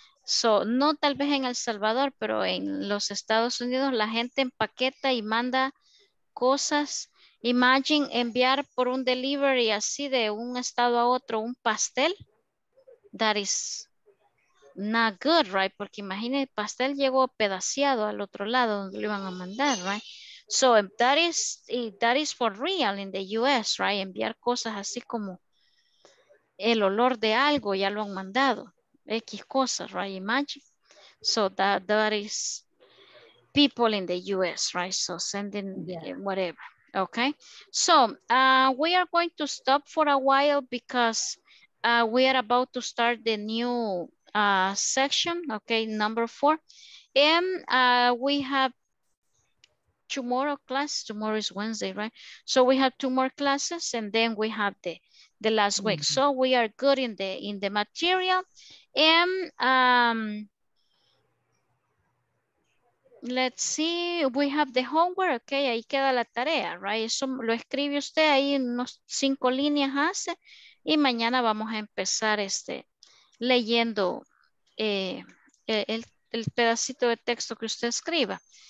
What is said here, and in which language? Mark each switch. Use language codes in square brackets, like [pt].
[es] So, no tal vez en El Salvador, pero en los Estados Unidos, la gente empaqueta y manda cosas. Imagine enviar por un delivery así de un estado a otro un pastel. [en] That is not good, right? [es] Porque imagine, el pastel llegó pedaciado al otro lado donde lo iban a mandar, right? [en] So that is for real in the US, right? [es] Enviar cosas así como el olor de algo, ya lo han mandado. X cosas, right? Imagine. [en] So that is people in the US, right? So sending, yeah, whatever. Okay, so we are going to stop for a while because we are about to start the new section, okay, number 4. And we have 2 more classes. Tomorrow is Wednesday, right? So we have 2 more classes and then we have the last mm-hmm. week. So we are good in the material. And let's see, we have the homework, okay, [es] ahí queda la tarea, [en] right? [es] Eso lo escribe usted ahí, unos 5 líneas hace, y mañana vamos a empezar leyendo el pedacito de texto que usted escriba.